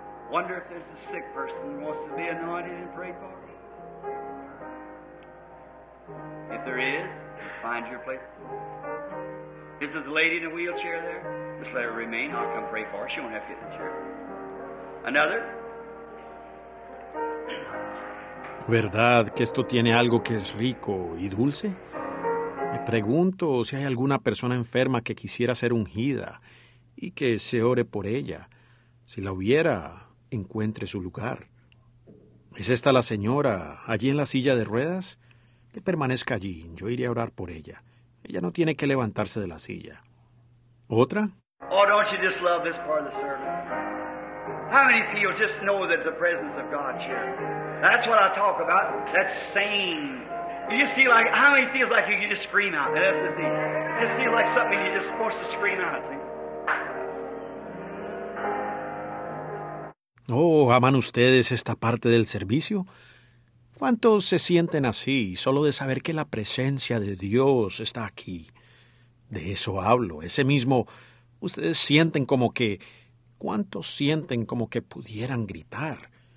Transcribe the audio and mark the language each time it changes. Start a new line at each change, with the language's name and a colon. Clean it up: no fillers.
English: Wonder if there's a sick person who wants to be anointed and prayed for. If there is, find your place. Is there the lady in a wheelchair there? Just let her remain. I'll come pray for her. She won't have to get the chair. Another?
Spanish: ¿Verdad que esto tiene algo que es rico y dulce? Me pregunto si hay alguna persona enferma que quisiera ser ungida y que se ore por ella. Si la hubiera, encuentre su lugar. ¿Es esta la señora allí en la silla de ruedas? Que permanezca allí. Yo iré a orar por ella. Ella no tiene que levantarse de la silla. ¿Otra?
English: Oh, don't you just love this part of the service? How many people just know that the presence of God's here? That's what I talk about. That's sane. You just feel like, how many feels like you can just scream out? That's the thing. You just feel like something you're just supposed to scream out. See?
Spanish: Oh, ¿aman ustedes esta parte del servicio? ¿Cuántos se sienten así solo de saber que la presencia de Dios está aquí? De eso hablo. Ese mismo, ustedes sienten como que, ¿cuántos sienten como que pudieran gritar?